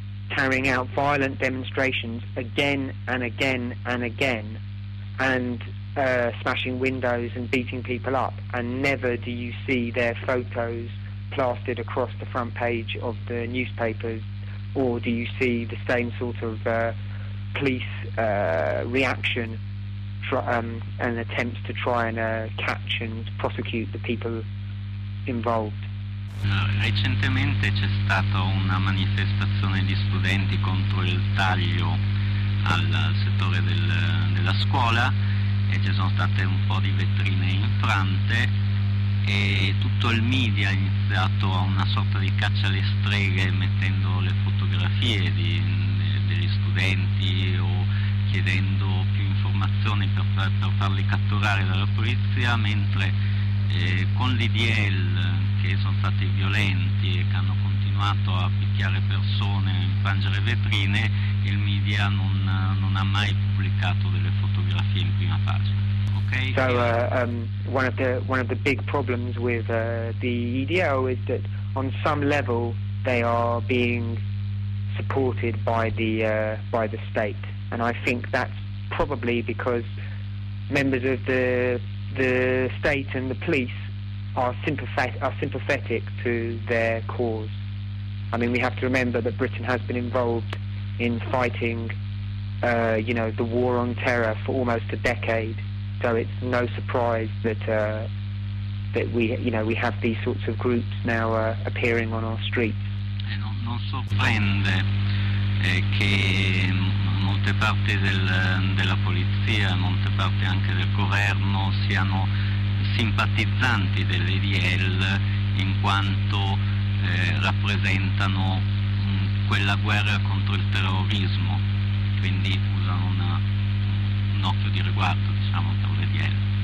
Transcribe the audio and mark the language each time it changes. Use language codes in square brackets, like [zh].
[en] carrying out violent demonstrations again and again and again, and smashing windows and beating people up, and never do you see their photos plastered across the front page of the newspapers, or do you see the same sort of police reaction and attempts to try and catch and prosecute the people involved. [it] Recentemente c'è stata una manifestazione di studenti contro il taglio al settore della scuola e ci sono state un po' di vetrine infrante e tutto il media ha iniziato a una sorta di caccia alle streghe mettendo le fotografie degli studenti o chiedendo più informazioni per farli catturare dalla polizia, mentre con l'IDL, che sono stati violenti e che hanno continuato a picchiare persone, a infrangere vetrine, il media non ha mai pubblicato delle fotografie in prima pagina. [en] Okay? So one of the big problems with the EDL is that on some level they are being supported by the state, and I think that's probably because members of the state and the police are sympathetic to their cause. I mean, we have to remember that Britain has been involved in fighting, you know, the war on terror for almost a decade. So it's no surprise that we, you know, we have these sorts of groups now appearing on our streets. [it] Non sorprende che molte parti della polizia, molte parti anche del governo siano simpatizzanti dell'EDL in quanto rappresentano quella guerra contro il terrorismo, quindi usano un occhio di riguardo, diciamo, per l'EDL.